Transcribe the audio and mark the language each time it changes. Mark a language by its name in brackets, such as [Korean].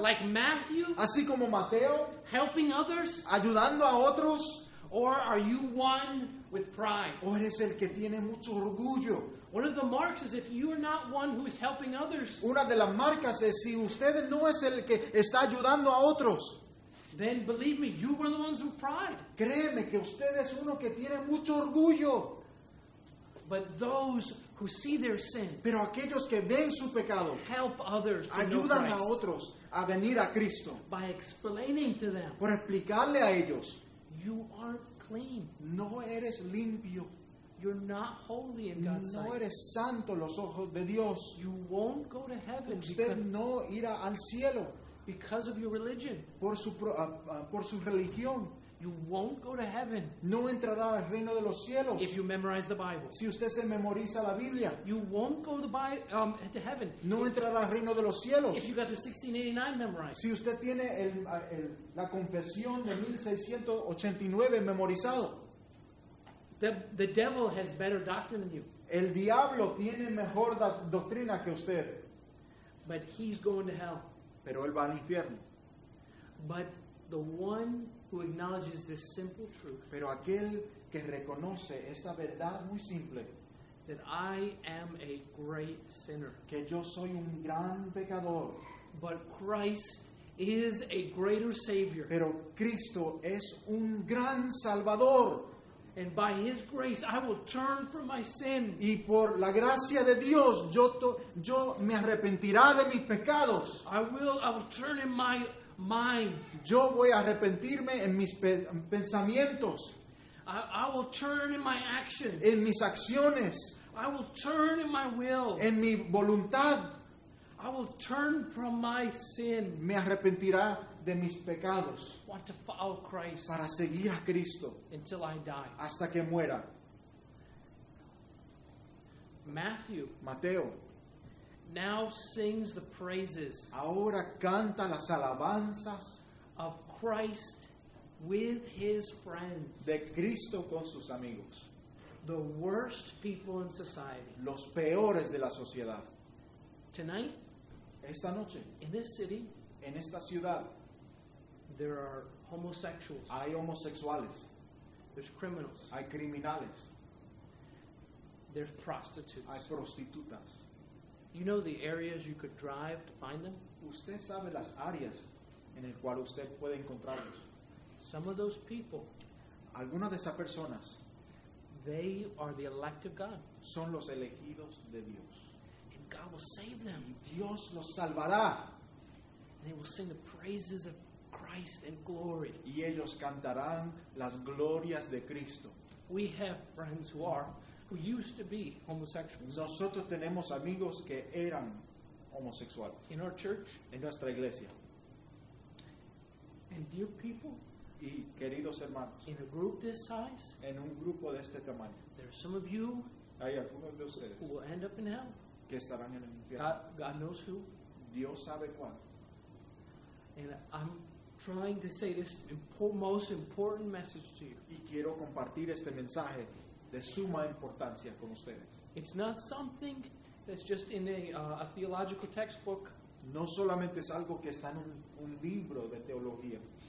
[English] Like Matthew. [Spanish] Así como Mateo. [English] Helping others. [Spanish] Ayudando a otros. [English] Or are you one with pride? [Spanish] O eres el que tiene mucho orgullo. [English] One of the marks is if you are not one who is helping others. [Spanish] Una de las marcas es si usted no es el que está ayudando a otros. [English] Then believe me, you are the ones with pride. [Spanish] Créeme que usted es uno que tiene mucho orgullo. [English] But those who see their sin. [Spanish] Pero aquellos que ven su pecado. [English] Help others to know Christ. [Spanish] Ayudan a otros a venir a Cristo. [English] By explaining to them. [Spanish] Por explicarle a ellos. [English] You aren't clean. [Spanish] No eres limpio. [English] You're not holy in God's sight. [Spanish] No eres santo los ojos de Dios. [English] You won't go to heaven. [Spanish] Usted no irá al cielo. [English] Because of your religion. [Spanish] Por su religión. [English] You won't go to heaven. [Spanish] No entrará al reino de los cielos. [English] If you memorize the Bible. [Spanish] Si usted se memoriza la Biblia. [English] You won't go to heaven. [Spanish] No entrará al reino de los cielos. [English] If you got the 1689 memorized. [Spanish] Si usted tiene la confesión de 1689 memorizado. [English] The devil has better doctrine than you. [Spanish] El diablo tiene mejor doctrina que usted. [English] But he's going to hell. [Spanish] Pero él va al infierno. [English] But the one who acknowledges this simple truth. [Spanish] Pero aquel que reconoce esta verdad muy simple. [English] That I am a great sinner. [Spanish] Que yo soy un gran pecador. [English] But Christ is a greater savior. [Spanish] Pero Cristo es un gran salvador. [English] And by his grace I will turn from my sin. [Spanish] Y por la gracia de Dios yo me arrepentirá de mis pecados. [English] I will turn in my mind. [Spanish] Yo voy a arrepentirme en mis pensamientos. [English] I will turn in my actions. [Spanish] En mis acciones. [English] I will turn in my will. [Spanish] En mi voluntad. [English] I will turn from my sin. [Spanish] Me arrepentirá de mis pecados. [English] Want to follow Christ. [Spanish] Para seguir a Cristo. [English] Until I die. [Spanish] Hasta que muera. [English] Matthew. [Spanish] Mateo. [English] Now sings the praises. [Spanish] Ahora canta las alabanzas. [English] Of Christ with his friends. [Spanish] De Cristo con sus amigos. [English] The worst people in society. [Spanish] Los peores de la sociedad. [English] Tonight. [Spanish] Esta noche. [English] In this city. [Spanish] En esta ciudad. [English] There are homosexuals. [Spanish] Hay homosexuales. [English] There's criminals. [Spanish] Hay criminales. [English] There's prostitutes. [Spanish] Hay prostitutas. [English] You know the areas you could drive to find them? [Spanish] Usted sabe las áreas en el cual usted puede encontrarlos. [English] Some of those people. [Spanish] Algunas de esas personas. [English] They are the elect of God. [Spanish] Son los elegidos de Dios. [English] And God will save them. [Spanish] Y Dios los salvará. [English] And they will sing the praises of Christ and glory. [Spanish] Y ellos cantarán las glorias de Cristo. [English] We have friends who used to be homosexuals. [Spanish] Nosotros tenemos amigos que eran homosexuales. [English] In our church. [Spanish] En nuestra iglesia. [English] And dear people. [Spanish] Y queridos hermanos. [English] In a group this size. [Spanish] En un grupo de este tamaño. [English] There are some of you. [Spanish] Hay algunos de ustedes. [English] Who will end up in hell. [Spanish] Que estarán en el infierno. [English] God knows who. [Spanish] Dios sabe cuándo. [English] And I'm trying to say this most important message to you. [Spanish] Y quiero compartir este mensaje de suma importancia con ustedes. [English] It's not something that's just in a theological textbook. [Spanish] No solamente es algo que está en un libro de teología.